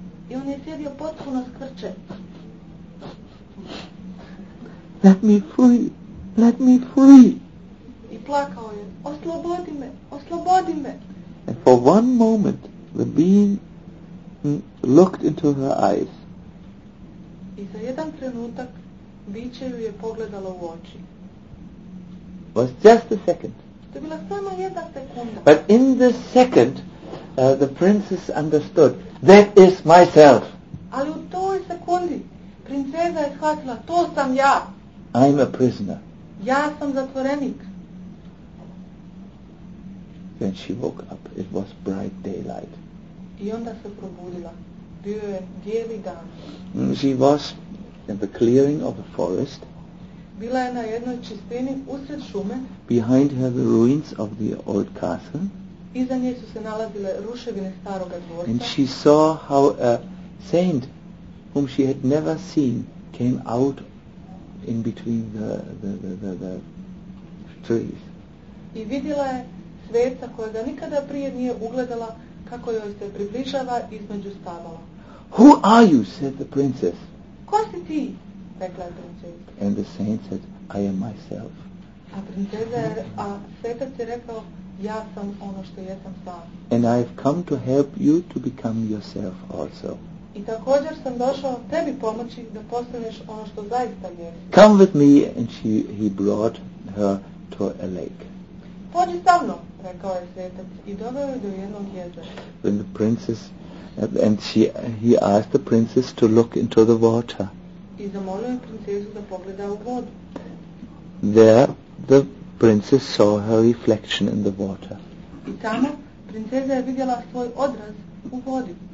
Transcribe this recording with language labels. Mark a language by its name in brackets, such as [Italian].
[Croatian] I on je sjedio potpuno skrče. [English] Let me free, let me free. [Croatian] I plakao je, oslobodi me, oslobodi me. [English] And for one moment the being looked into her eyes. [Croatian] I za jedan trenutak biće ju je pogledalo u oči. [English] Was just a second. [Croatian] To je bila samo jedna sekunda. [English] But in this second the princess understood, that is myself. [Croatian] Ali u toj sekundi princeza je shvatila, to sam ja. [English] I'm a prisoner. [Croatian] Ja sam zatvorenik. [English] Then she woke up. It was bright daylight. [Croatian] I onda se probudila. Bio je bijeli dan. [English] She was in the clearing of a forest. [Croatian] Bila je na jednoj čistini usred šume. [English] Behind her the ruins of the old castle. [Croatian] Iza nje su se nalazile ruševine staroga dvorca. [English] And she saw how a saint whom she had never seen came out in between the trees. [Croatian] I vidjela je sveta kojega nikada prije nije ugledala kako joj se približava između stabala. [English] Who are you? Said the princess. [Croatian] Ko si ti? Rekla je princeza. [English] And the saint said, I am myself. [Croatian] A princeza je, a svetac je rekao, ja sam ono što jesam sam. [English] And I have come to help you to become yourself also. [Croatian] I također sam došao tebi pomoći da postaneš ono što zaista jesi. [English] Come with me, and he brought her to a lake. [Croatian] Pođi sa mnom, rekao je svetac, i doveo je do jednog jezera. [English] When the princess, and he asked the princess to look into the water. [Croatian] I zamolio je princezu da pogleda u vodu. [English] There, the princess saw her reflection in the water. [Croatian] I tamo, princeza je vidjela svoj odraz u vodi.